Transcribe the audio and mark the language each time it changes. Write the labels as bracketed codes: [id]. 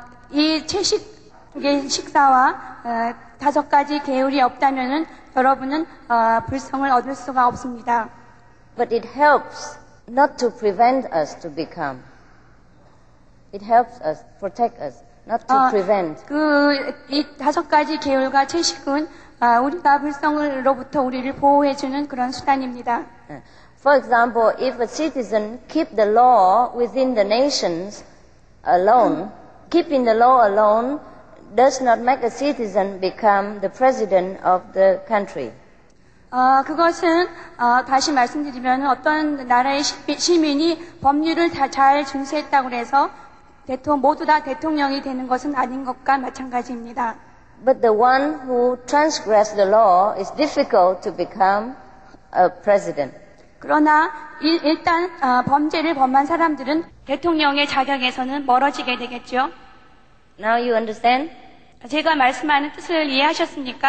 [ko] 이 채식의 식사와 다섯 가지 계율이 없다면은 여러분은 불성을 얻을 수가 없습니다. [en] But it helps not to prevent us to become. It helps us protect us, not to prevent. [ko] 이 다섯 가지 계율과 채식은 우리가 불성으로부터 우리를 보호해 주는 그런 수단입니다. [en] For example, if a citizen keep the law within the nations alone, keeping the law alone does not make a citizen become the president of the country. [ko] 그것은 다시 말씀드리면 어떤 나라의 시민이 법률을 잘 준수했다고 해서 모두 다 대통령이 되는 것은 아닌 것과 마찬가지입니다. [en] But the one who transgressed the law is difficult to become a president. [ko] 그러나 일단 범죄를 범한 사람들은 대통령의 자격에서는 멀어지게 되겠죠. [en] Now you understand? [ko] 제가 말씀하는 뜻을 이해하셨습니까?